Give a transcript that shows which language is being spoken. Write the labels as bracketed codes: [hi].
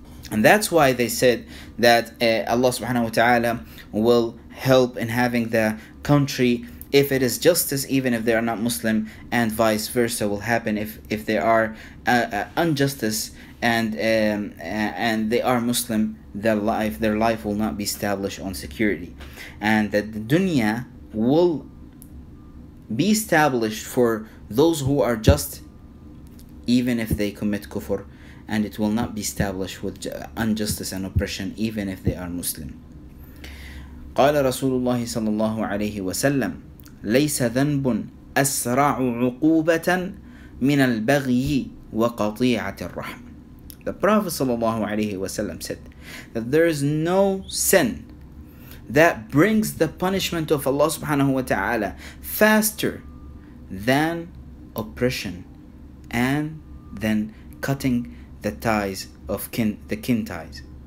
[en] And that's why they said that Allah subhanahu wa ta'ala will help in having the country if it is justice, even if they are not Muslim, and vice versa will happen if they are injustice and they are Muslim, their life will not be established on security. And that the dunya will be established for those who are just, even if they commit kufr, and it will not be established with injustice and oppression, even if they are Muslim. [ar] قال رسول الله صلى الله عليه وسلم ليس ذنب أسرع عقوبة من البغي وقطيعة الرحم. [en] The Prophet [ar] صلى الله عليه وسلم [en] said that there is no sin that brings the punishment of Allah subhanahu wa ta'ala faster than oppression and then cutting the ties of kin, the kin ties.